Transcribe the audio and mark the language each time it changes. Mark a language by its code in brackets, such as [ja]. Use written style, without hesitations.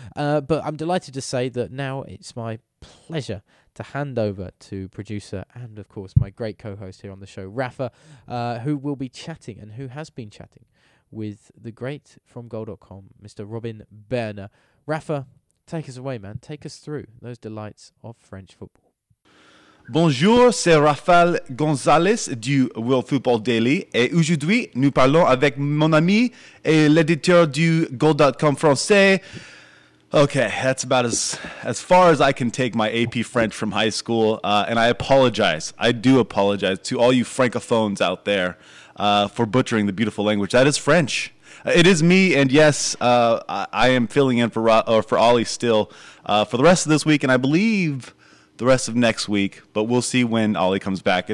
[en] But I'm delighted to say that now it's my pleasure to hand over to producer and, of course, my great co-host here on the show, Rafa, who will be chatting and who has been chatting with the great from goal.com, Mr. Robin Berner. Rafa, take us away, man. Take us through those delights of French football. [fr] Bonjour, c'est Raphaël Gonzalez du World Football Daily. Et aujourd'hui, nous parlons avec mon ami et l'éditeur du goal.com français. [en] Okay, that's about as far as I can take my AP French from high school, and I apologize. I do apologize to all you francophones out there for butchering the beautiful language. That is French. It is me, and yes, I am filling in for Ollie still for the rest of this week, and I believe the rest of next week, but we'll see when Ollie comes back.